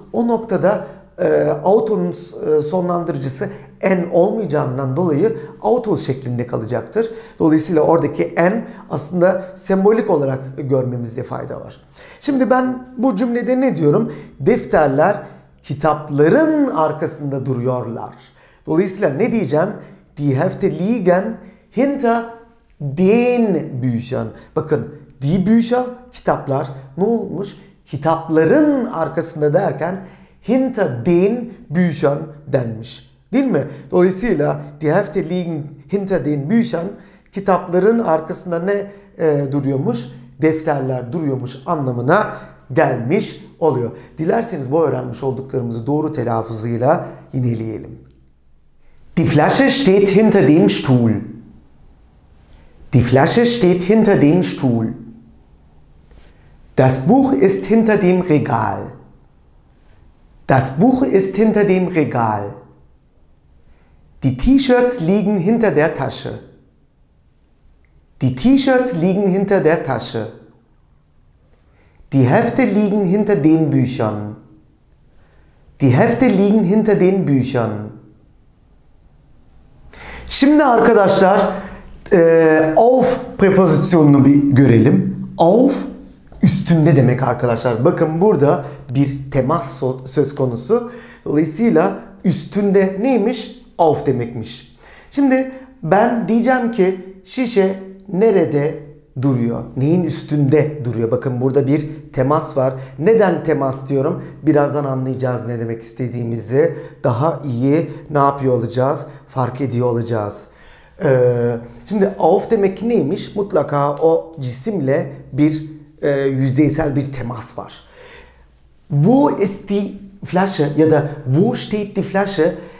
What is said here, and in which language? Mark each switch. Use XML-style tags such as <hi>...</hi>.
<tr>O noktada auto'nun sonlandırıcısı en olmayacağından dolayı autos şeklinde kalacaktır. Dolayısıyla oradaki en aslında sembolik olarak görmemizde fayda var. Şimdi ben bu cümlede ne diyorum? Defterler kitapların arkasında duruyorlar. Dolayısıyla ne diyeceğim?</tr> <de>Die Hefte liegen hinter den Büchern.</de> <tr>Bakın</tr> <de>die Bücher</de> <tr>kitaplar ne olmuş? Kitapların arkasında derken</tr> <de>hinter den Büchern</de> <tr>denmiş. Değil mi? Dolayısıyla</tr> <de>die Hefte liegen hinter den Büchern</de> <tr>kitapların arkasında ne duruyormuş? Defterler duruyormuş anlamına gelmiş oluyor. Dilerseniz bu öğrenmiş olduklarımızı doğru telaffuzuyla yineleyelim.</tr> <de>Die Flasche steht hinter dem Stuhl. Die Flasche steht hinter dem Stuhl. Das Buch ist hinter dem Regal. Das Buch ist hinter dem Regal. Die T-Shirts liegen hinter der Tasche. Die T-Shirts liegen hinter der Tasche. Die Hefte liegen hinter den Büchern. Die Hefte liegen hinter den Büchern.</de> <tr>Şimdi arkadaşlar auf prepozisyonunu bir görelim. Auf üstünde demek arkadaşlar. Bakın burada bir temas söz konusu. Dolayısıyla üstünde neymiş? Auf demekmiş. Şimdi ben diyeceğim ki şişe nerede duruyor? Neyin üstünde duruyor? Bakın burada bir temas var. Neden temas diyorum? Birazdan anlayacağız ne demek istediğimizi. Daha iyi ne yapıyor olacağız? Fark ediyor olacağız. Şimdi auf demek neymiş? Mutlaka o cisimle bir yüzeysel bir temas var.</tr> <de>Wo ist die Flasche?</de> <tr>Ya da</tr> <de>wo steht die Flasche?</de>